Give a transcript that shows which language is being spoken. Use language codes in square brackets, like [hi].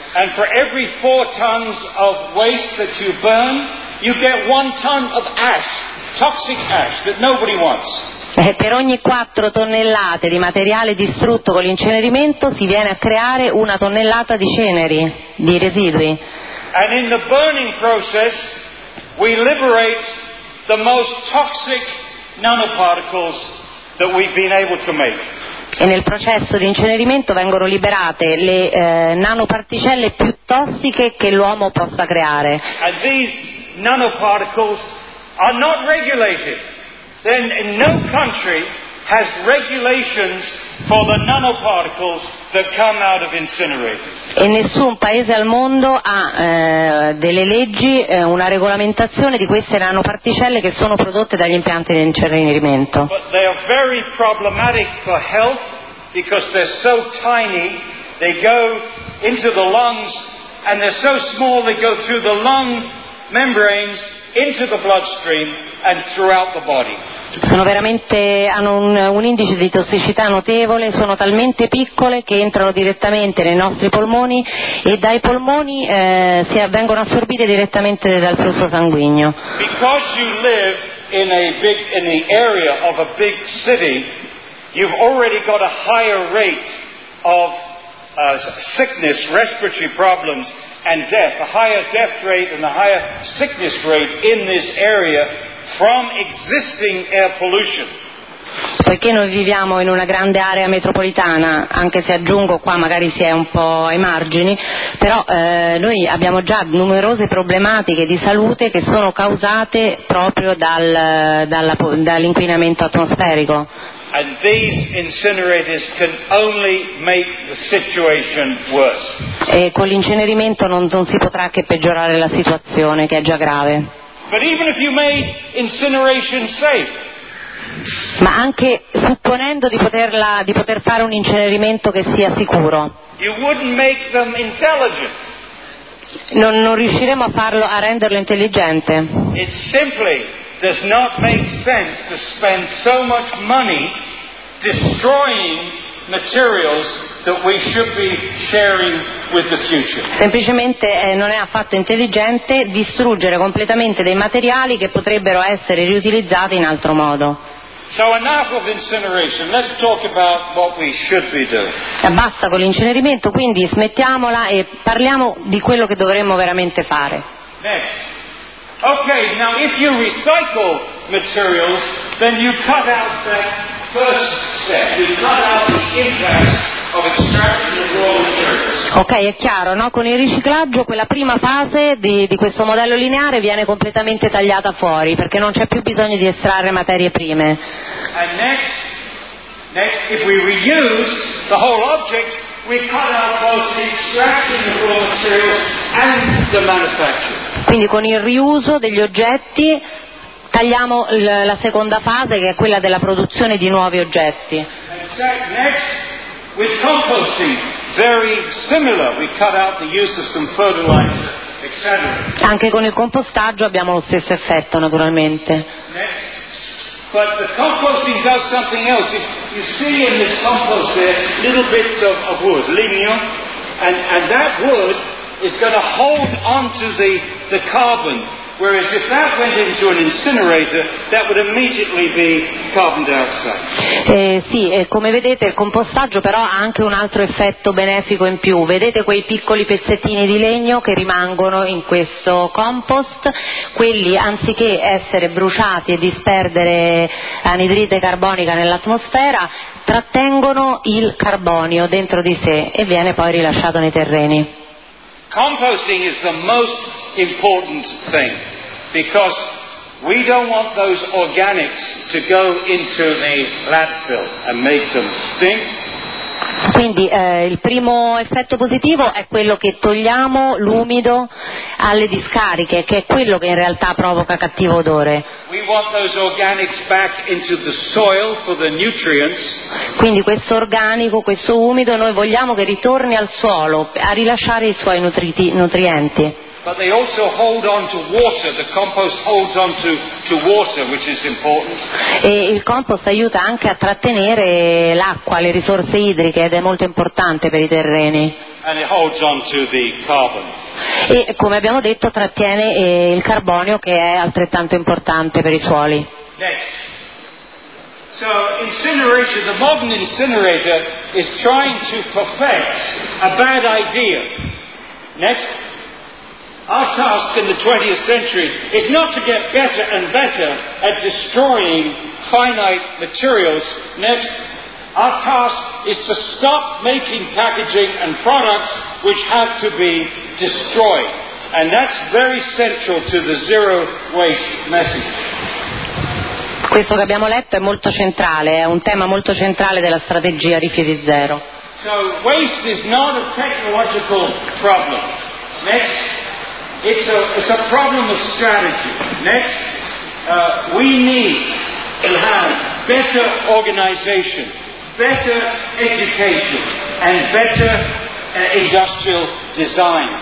[en] And for every 4 tons of waste that you burn, you get 1 ton of ash, toxic ash that nobody wants. [it] Per ogni 4 tonnellate di materiale distrutto con l'incenerimento si viene a creare una tonnellata di ceneri, di residui. [en] And in the burning process we liberate the most toxic nanoparticles that we've been able to make. [it] E nel processo di incenerimento vengono liberate le nanoparticelle più tossiche che l'uomo possa creare. [en] And these nanoparticles are not regulated. Then in no country has regulations for the nanoparticles that come out of incinerators. [it] E nessun paese al mondo ha delle leggi, una regolamentazione di queste nanoparticelle che sono prodotte dagli impianti di incenerimento. [en] But they are very problematic for health because they're so tiny. They go into the lungs and they're so small they go through the lung membranes into the bloodstream and throughout the body. [it] Sono veramente, hanno un indice di tossicità notevole, sono talmente piccole che entrano direttamente nei nostri polmoni e dai polmoni vengono assorbite direttamente dal flusso sanguigno. [en] Because you live in the area of a big city, you've already got a higher rate of sickness, respiratory problems and death, a higher death rate and a higher sickness rate in this area from existing air pollution. [it] poiché noi viviamo in una grande area metropolitana, anche se aggiungo qua magari si è un po' ai margini, però noi abbiamo già numerose problematiche di salute che sono causate proprio dall'inquinamento atmosferico. [en] And these incinerators can only make the situation worse. [it] E con l'incenerimento non si potrà che peggiorare la situazione, che è già grave. [en] But even if you made incineration safe. [it] Ma anche supponendo di poter fare un incenerimento che sia sicuro. [en] You wouldn't make them intelligent. [it] Non riusciremo a renderlo intelligente. [en] It's simply does not make sense to spend so much money destroying materials that we should be sharing with the future. [it] Semplicemente non è affatto intelligente distruggere completamente dei materiali che potrebbero essere riutilizzati in altro modo. [en] So enough of incineration. Let's talk about what we should be doing. [it] Basta con l'incenerimento, quindi smettiamola e parliamo di quello che dovremmo veramente fare. [en] Next. Okay, now if you recycle materials, then you cut out that first step. You cut out the impact of extracting the raw materials. [it] Ok, è chiaro, no? Con il riciclaggio quella prima fase di questo modello lineare viene completamente tagliata fuori, perché non c'è più bisogno di estrarre materie prime. [en] And next, if we reuse the whole object, we cut out both the extraction of raw materials and the manufacture. [it] Quindi con il riuso degli oggetti tagliamo la seconda fase, che è quella della produzione di nuovi oggetti. [en] Next, with composting, very similar, we cut out the use of some fertilizer, etc. [it] Anche con il compostaggio abbiamo lo stesso effetto, naturalmente. [en] Next. But the composting does something else. You see in this compost there little bits of wood, lignum, and that wood is going to hold onto the carbon. Whereas if that went into an incinerator, that would immediately be carbon dioxide. [it] Come vedete il compostaggio però ha anche un altro effetto benefico in più. Vedete quei piccoli pezzettini di legno che rimangono in questo compost? Quelli, anziché essere bruciati e disperdere anidride carbonica nell'atmosfera, trattengono il carbonio dentro di sé e viene poi rilasciato nei terreni. [en] Composting is the most important thing because we don't want those organics to go into the landfill and make them stink. [it] Quindi il primo effetto positivo è quello che togliamo l'umido alle discariche, che è quello che in realtà provoca cattivo odore. [en] We want those organics back into the soil for the nutrients. [it] Quindi questo organico, questo umido, noi vogliamo che ritorni al suolo a rilasciare i suoi nutrienti. [en] But they also hold on to water. The compost holds on to water, which is important. [it] E il compost aiuta anche a trattenere l'acqua, le risorse idriche, ed è molto importante per i terreni. [en] And it holds on to the carbon. [it] E come abbiamo detto, trattiene il carbonio, che è altrettanto importante per i suoli. [en] Next. So incineration, the modern incinerator is trying to perfect a bad idea. Next. Our task in the 20th century is not to get better and better at destroying finite materials. Next, our task is to stop making packaging and products which have to be destroyed. And that's very central to the zero waste message. [it] Questo che abbiamo letto è molto centrale, è un tema molto centrale della strategia rifiuti zero. [en] So waste is not a technological problem. Next. It's a problem of strategy. Next, we need to have better organization, better education, and better industrial design.